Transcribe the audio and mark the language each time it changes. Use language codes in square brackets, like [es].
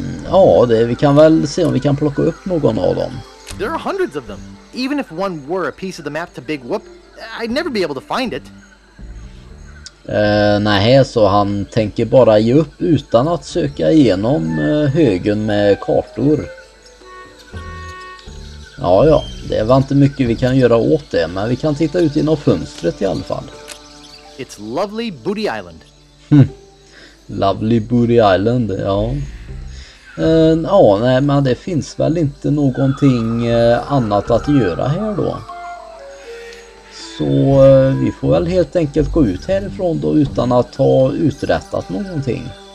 [sv] Ja, det, vi kan väl se om vi kan plocka upp någon av dem. [en] There are hundreds of them. Even if one were a piece of the map to Big Whoop, I'd never be able to find it. [sv] Nej, så han tänker bara ge upp utan att söka igenom högen med kartor. Ja, ja, det var inte mycket vi kan göra åt det, men vi kan titta ut genom fönstret i alla fall. [en] It's lovely Booty Island. [sv] Lovely Booty Island, ja. Ja, nej, men det finns väl inte någonting annat att göra här då. Så vi får väl helt enkelt gå ut härifrån då utan att ha uträttat någonting.